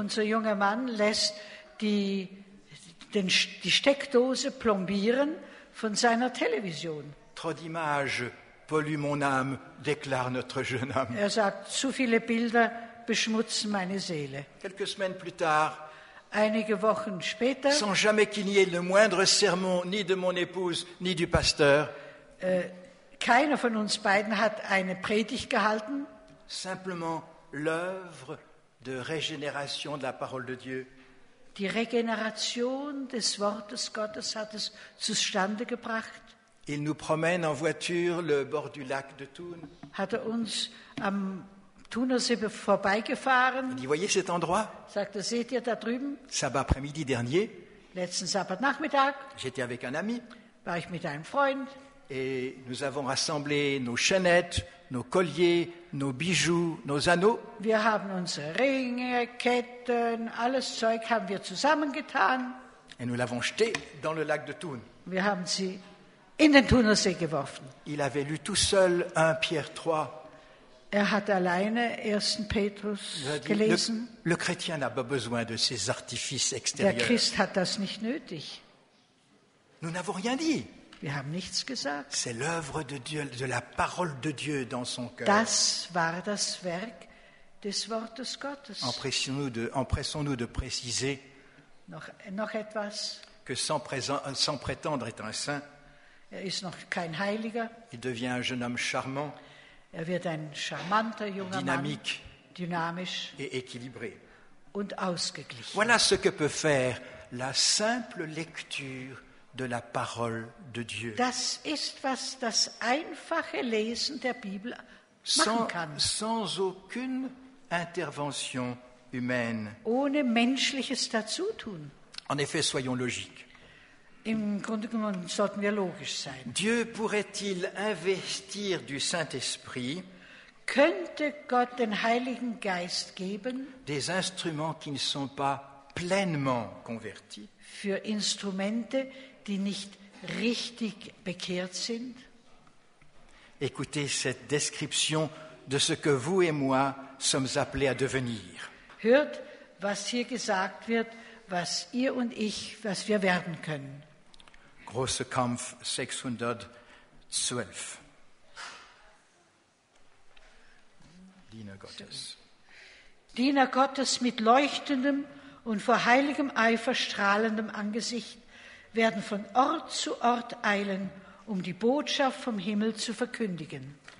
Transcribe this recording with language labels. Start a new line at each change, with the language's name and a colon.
German: Unser junger Mann lässt die Steckdose plombieren von seiner Television.
French: Trop d'images polluent mon âme, déclare notre jeune homme.
German: Er sagt, zu viele Bilder beschmutzen meine Seele.
French: Quelques semaines plus tard,
German: einige Wochen später,
French: sans jamais qu'il n'y ait le moindre sermon ni de mon épouse ni du pasteur,
German: keiner von uns beiden hat eine Predigt gehalten.
French: Simplement l'œuvre de régénération de la parole de Dieu.
German: Die Regeneration des Wortes Gottes hat es zustande gebracht.
French: Il nous promène en voiture le bord du lac de Thun.
German: Hat er uns am Thunersee vorbeigefahren.
French: Vous voyez cet endroit?
German: Sagt er, seht ihr da drüben?
French: Sabbat après-midi dernier.
German: Letzten Sabbatnachmittag.
French: J'étais avec un ami.
German: War ich mit einem Freund.
French: Et nous avons rassemblé nos chaînettes, nos colliers, nos bijoux, nos anneaux.
German: Wir haben unsere Ringe, Ketten, alles Zeug haben wir zusammengetan.
French: Et nous l'avons jeté dans le lac de Thun.
German: Wir haben sie in den Thunersee geworfen.
French: Il avait lu tout seul 1 Pierre 3.
German: Er hat alleine 1. Petrus gelesen.
French: Le chrétien n'a pas besoin de ces artifices extérieurs.
German: Der Christ hat das nicht nötig.
French: Nous n'avons rien dit.
German: Wir haben nichts gesagt.
French: C'est l'œuvre de Dieu, de la parole de Dieu dans son cœur.
German: Das war das Werk des Wortes Gottes.
French: Empressons-nous de préciser
German: noch etwas,
French: que sans prétendre être un saint,
German: er ist noch kein Heiliger,
French: il devient un jeune homme charmant,
German: er wird ein charmanter junger
French: dynamique,
German: Mann, dynamisch
French: et équilibré.
German: Und ausgeglichen.
French: Voilà ce que peut faire la simple lecture de la parole de Dieu.
German: Das ist, was das einfache Lesen der Bibel machen kann.
French: Sans aucune intervention humaine.
German: Ohne menschliches Dazutun.
French: En effet, soyons logiques.
German: Im Grunde genommen sollten wir logisch sein.
French: Dieu pourrait-il investir du Saint-Esprit?
German: Könnte Gott den Heiligen Geist geben?
French: Des instruments qui ne sont pas pleinement convertis.
German: Für Instrumente, die nicht richtig bekehrt sind.
French: Écoutez cette description de ce que vous et moi sommes appelés à devenir.
German: Hört, was hier gesagt wird, was ihr und ich, was wir werden können. Große Kampf 612. Diener Gottes. Diener Gottes mit leuchtendem und vor heiligem Eifer strahlendem Angesicht werden von Ort zu Ort eilen, um die Botschaft vom Himmel zu verkündigen.